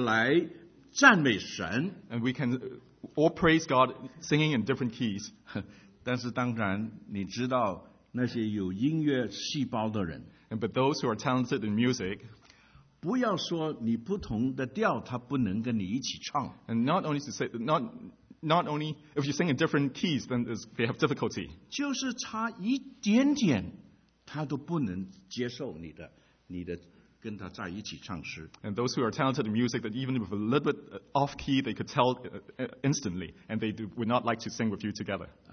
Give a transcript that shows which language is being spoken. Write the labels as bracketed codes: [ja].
[zh] 我们可以不用不同的调来赞美神, [en] and we can all praise God singing in different keys. [zh] 但是当然你知道那些有音乐细胞的人, [en] and but those who are talented in music, [zh] 不要说你不同的调, [en] and not only if you sing in different keys, then they have difficulty. [zh] 就是差一点点, 他都不能接受你的跟他在一起唱诗。 [en] And those who are talented in music, that even with a little bit off key, they could tell instantly, and they would not like to sing with you together.